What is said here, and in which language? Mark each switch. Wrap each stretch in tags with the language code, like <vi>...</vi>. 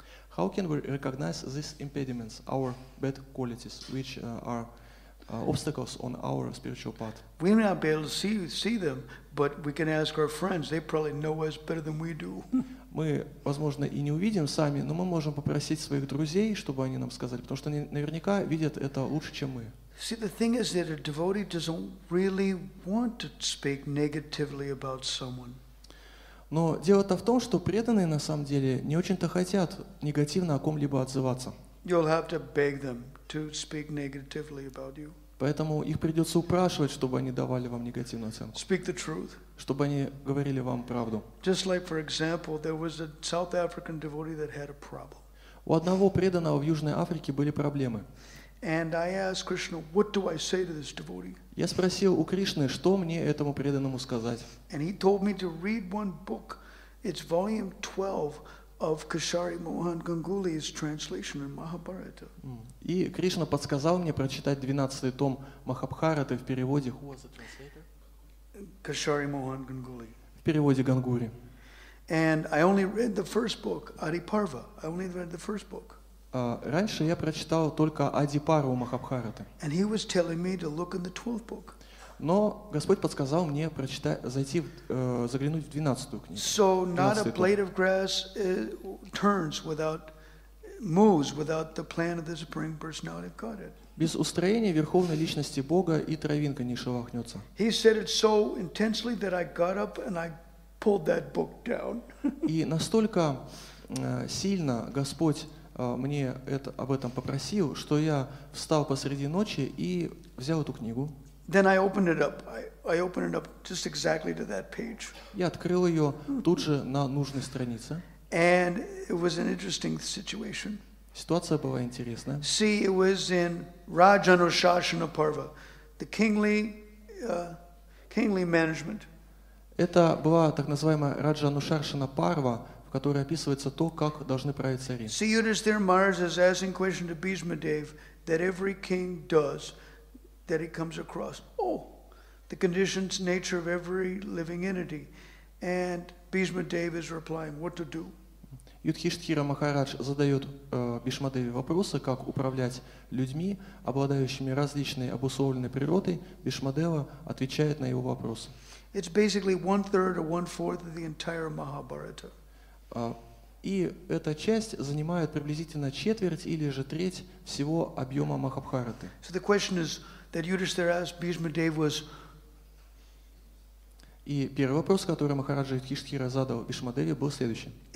<en>How can we recognize these impediments, our bad qualities, which are obstacles on our spiritual path? We may not be able to see them, but we can ask our friends. They probably know us better than we do.</en> <ru>Мы, возможно, и не увидим сами, но мы можем попросить своих друзей, чтобы они нам сказали, потому что они наверняка видят это лучше, чем мы.</ru> <en>See, the thing is that a devotee doesn't really want to speak negatively about someone.</en> <ru>Но дело-то в том, что преданные на самом деле не очень-то хотят негативно о ком-либо отзываться.</ru> <en>You'll have to beg them to speak negatively about you.</en> <ru>Поэтому их придется упрашивать, чтобы они давали вам негативную оценку.</ru> <en>Speak the truth.</en> <ru>Чтобы они говорили вам правду.</ru> <en>Just like, for example, there was a South African devotee that had a problem.</en> <ru>У одного преданного в Южной Африке были проблемы.</ru> <en>And I asked Krishna, what do I say to this devotee?</en> <ru>Я спросил у Кришны, что мне этому преданному сказать.</ru> <en>And he told me to read one book. It's volume 12 of Kashari Mohan Ganguly's translation in Mahabharata.</en> <ru>И Кришна подсказал мне прочитать 12-й том Махабхараты в переводе.</ru> <en>Who was the translator? Kashari Mohan Ganguly.</en> <ru>В переводе Гангури.</ru> <en>And I only read the first book, Adiparva. I only read the first book.</en> <ru>Раньше я прочитал только Адипарву Махабхараты.</ru> <en>And he was telling me to look in the 12th book.</en> <ru>Но Господь подсказал мне заглянуть в 12-ю книгу.</ru> <en>So not a blade of grass turns without moves without the plan of the Supreme Personality of Godhead.</en> <ru>Без устроения Верховной Личности Бога и травинка не шелохнется.</ru> <en>He said it so intensely that I got up and I pulled that book down.</en> <ru>И настолько сильно Господь мне это об этом попросил, что я встал посреди ночи и взял эту книгу.</ru> <en>Then I opened it up. I opened it up just exactly to that page.</en> <ru>Я открыл ее тут же на нужной странице.</ru> <en>And it was an interesting situation.</en> <ru>Ситуация была интересная.</ru> <en>See, it was in Rajanushasana Parva, the kingly management.</en> <ru>Это была так называемая Раджанушасана Парва, в которой описывается то, как должны править цари.</ru> <en>See, Yudhishthira Maharaj is asking question to Bhishma Dev that every king does. That he comes across, oh, the conditions, nature of every living entity, and Bhishma Dev is replying, what to do?</en> <ru>Юдхиштхира Махарадж задает Бхишма Деве вопросы, как управлять людьми, обладающими различной обусловленной природой. Бхишма Дева отвечает на его вопросы.</ru> <en>It's basically 1/3 or 1/4 of the entire Mahabharata.</en> <ru>И эта часть занимает приблизительно четверть или же треть всего объема Махабхараты.</ru> <en>So the question is. That Yudhishthira asked Bhishma Dev was</en> <ru>И первый вопрос, который Махараджа Юдхиштхира задал Бишмадеве, был следующий.</ru>